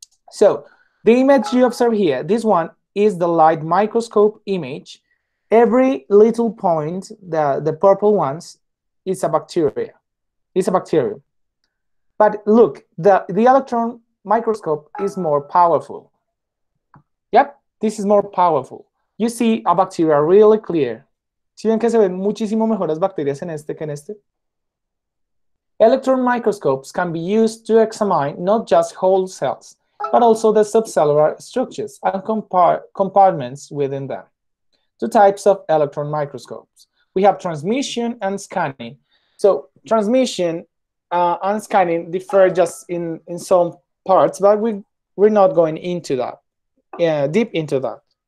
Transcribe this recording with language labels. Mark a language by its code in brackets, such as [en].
[en] So the image you observe here, this one is the light microscope image. Every little point, the purple ones, is a bacteria. It's a bacterium. But look, the electron microscope is more powerful. Yep, this is more powerful. You see a bacteria really clear. [es] ¿Sí ven que se ven muchísimo mejor las bacterias en este que en este? [en] Electron microscopes can be used to examine not just whole cells, but also the subcellular structures and compartments within them. Two types of electron microscopes. We have transmission and scanning. So transmission and scanning differ just in some parts, but we're not going into that, deep into that.